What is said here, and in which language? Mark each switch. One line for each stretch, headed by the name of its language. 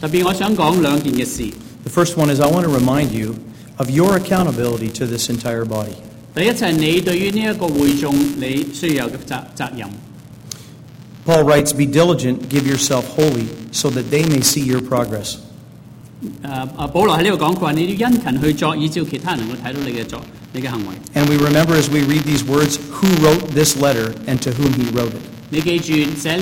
English: The first one is I want to remind you of your accountability to this entire body. Paul writes, "Be diligent, give yourself wholly, so that they may see your progress."
Chinese: 保罗在这里讲，他说你要殷勤去做，以照其他人能够看到你的行为。
English: And we remember as we read these words, who wrote this letter and to whom he wrote it.